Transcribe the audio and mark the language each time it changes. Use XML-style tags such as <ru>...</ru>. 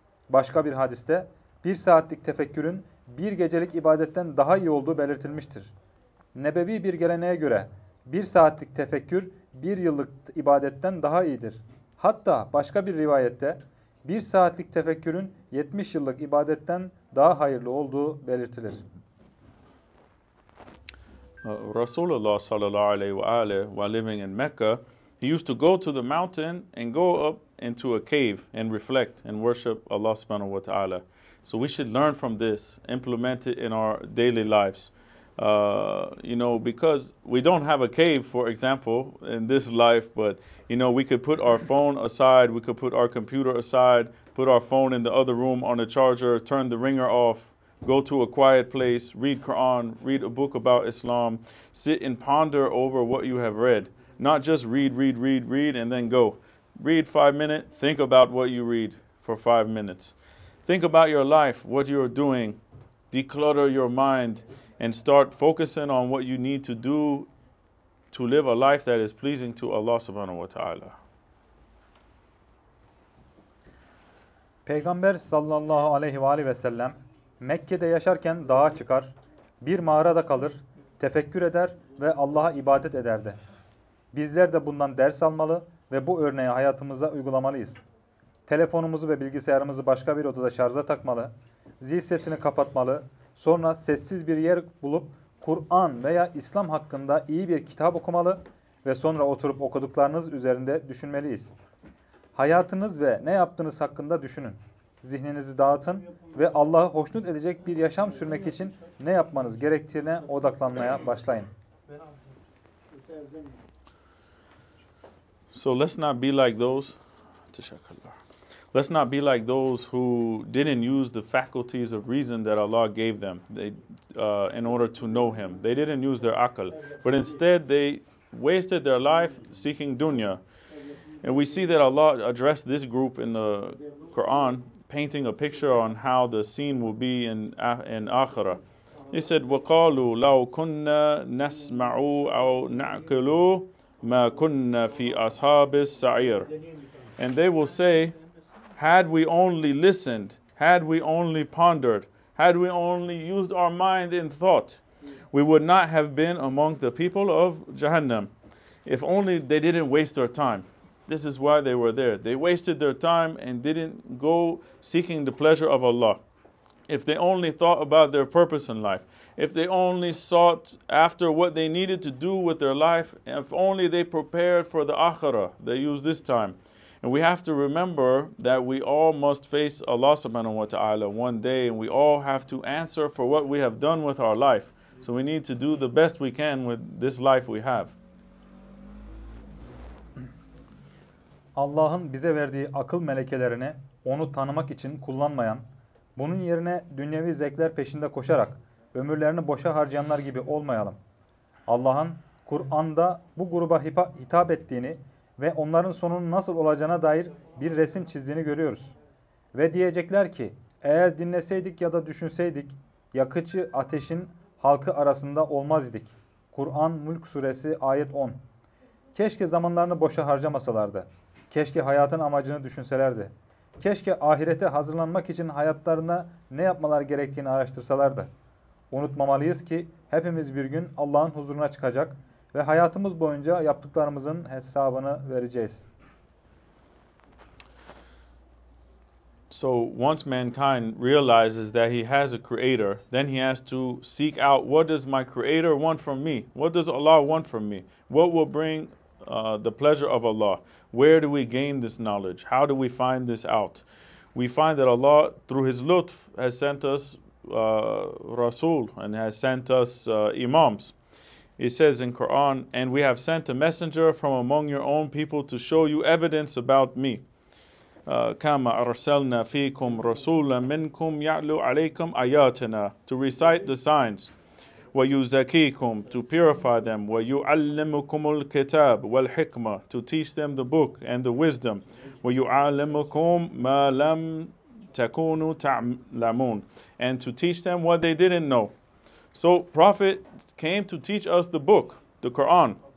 <tr>Başka bir hadiste bir saatlik tefekkürün bir gecelik ibadetten daha iyi olduğu belirtilmiştir. Nebevi bir geleneğe göre bir saatlik tefekkür bir yıllık ibadetten daha iyidir. Hatta başka bir rivayette bir saatlik tefekkürün 70 yıllık ibadetten daha hayırlı olduğu belirtilir.</tr> <en>Rasulullah sallallahu aleyhi ve aleyhi while living in Mecca, he used to go to the mountain and go up into a cave and reflect and worship Allah subhanahu wa ta'ala. So we should learn from this, implement it in our daily lives. Because we don't have a cave, for example, in this life, but, you know, we could put our phone aside, we could put our computer aside, put our phone in the other room on a charger, turn the ringer off, go to a quiet place, read Quran, read a book about Islam, sit and ponder over what you have read. Not just read, and then go. Read 5 minutes, think about what you read for 5 minutes. Think about your life, what you're doing, declutter your mind, and start focusing on what you need to do to live a life that is pleasing to Allah subhanahu wa ta'ala.</en> <tr>Peygamber sallallahu aleyhi ve aleyhi ve sellem Mekke'de yaşarken dağa çıkar, bir mağarada kalır, tefekkür eder ve Allah'a ibadet ederdi. Bizler de bundan ders almalı ve bu örneği hayatımıza uygulamalıyız. Telefonumuzu ve bilgisayarımızı başka bir odada şarja takmalı, zil sesini kapatmalı, sonra sessiz bir yer bulup Kur'an veya İslam hakkında iyi bir kitap okumalı ve sonra oturup okuduklarınız üzerinde düşünmeliyiz. Hayatınız ve ne yaptığınız hakkında düşünün. Zihninizi dağıtın ve Allah'ı hoşnut edecek bir yaşam sürmek için ne yapmanız gerektiğine odaklanmaya başlayın.</tr> <en>So let's not be like those.</en> <tr>Teşekkürler.</tr> <en>Let's not be like those who didn't use the faculties of reason that Allah gave them in order to know Him. They didn't use their akal. But instead, they wasted their life seeking dunya. And we see that Allah addressed this group in the Quran, painting a picture on how the scene will be in Akhirah. He said,</en> <ar>وَقَالُوا لَوْ كُنَّا نَسْمَعُوا أَوْ نَعْقِلُوا مَا كُنَّا فِي أَصْحَابِ السَّعِيرِ.</ar> <en>And they will say, had we only listened, had we only pondered, had we only used our mind in thought, we would not have been among the people of Jahannam. If only they didn't waste their time. This is why they were there. They wasted their time and didn't go seeking the pleasure of Allah. If they only thought about their purpose in life, if they only sought after what they needed to do with their life, if only they prepared for the akhirah, they used this time. And we have to remember that we all must face Allah subhanahu wa ta'ala one day, and we all have to answer for what we have done with our life. So we need to do the best we can with this life we have.</en> <tr>Allah'ın bize verdiği akıl melekelerini onu tanımak için kullanmayan, bunun yerine dünyevi zevkler peşinde koşarak ömürlerini boşa harcayanlar gibi olmayalım. Allah'ın Kur'an'da bu gruba hitap ettiğini ve onların sonunun nasıl olacağına dair bir resim çizdiğini görüyoruz. Ve diyecekler ki, eğer dinleseydik ya da düşünseydik, yakıcı ateşin halkı arasında olmaz idik. Kur'an Mülk Suresi ayet 10. Keşke zamanlarını boşa harcamasalardı. Keşke hayatın amacını düşünselerdi. Keşke ahirete hazırlanmak için hayatlarına ne yapmaları gerektiğini araştırsalardı. Unutmamalıyız ki hepimiz bir gün Allah'ın huzuruna çıkacak ve hayatımız boyunca yaptıklarımızın hesabını vereceğiz.</tr> <en>So once mankind realizes that he has a creator, then he has to seek out, what does my creator want from me? What does Allah want from me? What will bring the pleasure of Allah? Where do we gain this knowledge? How do we find this out? We find that Allah, through His lutf, has sent us Rasul and has sent us Imams. It says in Quran, and we have sent a messenger from among your own people to show you evidence about me.</en> <ar>كَمَا أَرْسَلْنَا فِيكُمْ رَسُولًا مِنْكُمْ يَعْلُوْ عَلَيْكُمْ آيَاتِنَا,</ar> <en>to recite the signs.</en> <ar>وَيُزَكِيكُمْ,</ar> <en>to purify them.</en> <ar>وَيُعَلِّمُكُمُ الْكِتَابُ وَالْحِكْمَةُ,</ar> <en>to teach them the book and the wisdom.</en> <ar>وَيُعَلِّمُكُمْ مَا لَمْ تَكُونُوا تَعْلَمُونَ,</ar> <en>and to teach them what they didn't know. So Prophet came to teach us the book, the Quran.</en>